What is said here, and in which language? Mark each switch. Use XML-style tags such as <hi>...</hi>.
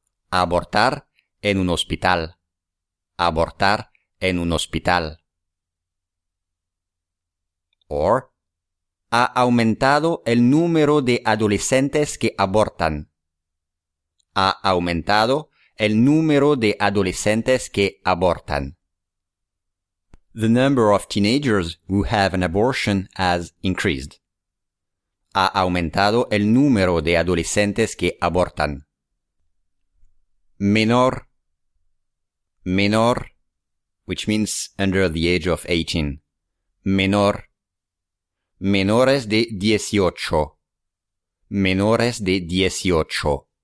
<es>Abortar en un hospital. Abortar en un hospital.</es> <en>Or,</en> <es>ha aumentado el número de adolescentes que abortan. Ha aumentado el número de adolescentes que abortan.</es> <en>The number of teenagers who have an abortion has increased.</en> <es>Ha aumentado el número de adolescentes que abortan. Menor.</es> <en>Menor, which means under the age of 18. Menor.</en> <es>Menores de 18. Menores de 18.</es>